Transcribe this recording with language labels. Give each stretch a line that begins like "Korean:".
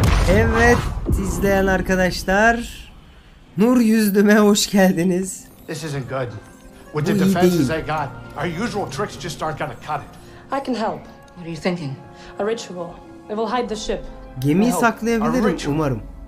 Turkish: Evet izleyen arkadaşlar, Nur Yüzlüme hoş geldiniz.
English: This isn't good. With the defenses they got, our usual tricks just aren't gonna cut it. I can help. What are you thinking? A ritual. It will hide the ship.
Turkish: Gemiyi saklayabilirim umarım.